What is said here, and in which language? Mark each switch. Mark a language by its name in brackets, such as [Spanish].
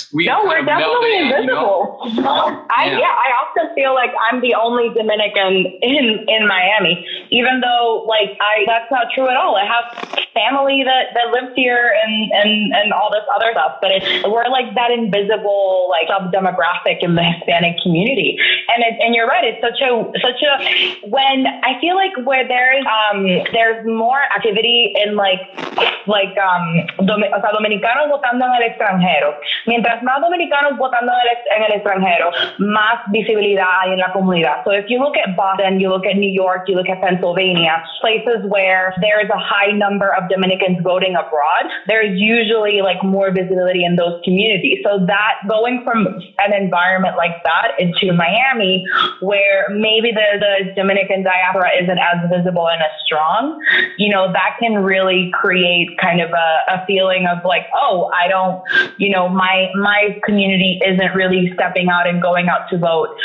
[English] we're definitely invisible. I often feel like I'm the only Dominican in Miami, even though like that's not true at all. I have family that lives here and all this other stuff, but we're like that invisible like sub demographic in the Hispanic community. And you're right. It's such a when I feel like where there's more activity in [Spanish] dominicanos votando en el extranjero, mientras más dominicanos votando en el extranjero, más visibilidad hay en la comunidad. [English] So if you look at Boston, you look at New York, you look at Pennsylvania, places where there is a high number of Dominicans voting abroad, there's usually like more visibility in those communities. So that going from an environment like that into Miami, where maybe the Dominican diaspora isn't as visible and as strong, you know, that can really create kind of a feeling of like, oh, I don't, you know, my community isn't really stepping out and going out to vote.